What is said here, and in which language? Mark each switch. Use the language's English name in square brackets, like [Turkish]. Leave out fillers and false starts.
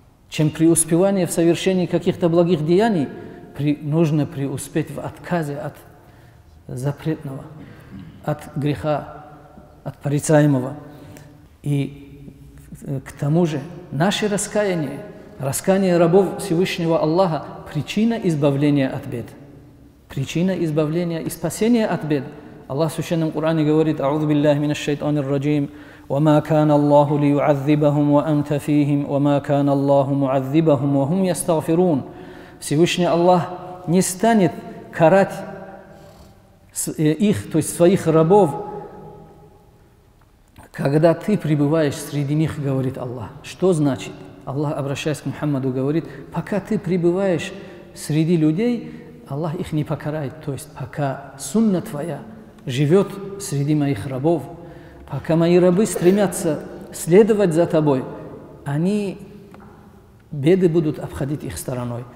[Russian] Чем преуспевание в совершении каких-то благих деяний, нужно преуспеть в отказе от запретного, от греха, от порицаемого. И к тому же наше раскаяние, раскаяние рабов Всевышнего Аллаха – причина избавления от бед. Причина избавления и спасения от бед. Аллах в Священном Коране говорит: [Arabic] «Аузу биллахи минаш шайтанир раджим». وما كان الله ليعذبهم وأنت فيهم وما كان الله معذبهم وهم يستغفرون. [Russian] Всевышний Аллах не станет карать их, то есть своих рабов, когда ты пребываешь среди них, говорит Аллах. Что значит? Аллах, обращаясь к Мухаммаду, говорит: пока ты пребываешь среди людей, Аллах их не покарает, то есть пока сунна твоя живет среди моих рабов, пока мои рабы стремятся следовать за тобой, они беды будут обходить их стороной.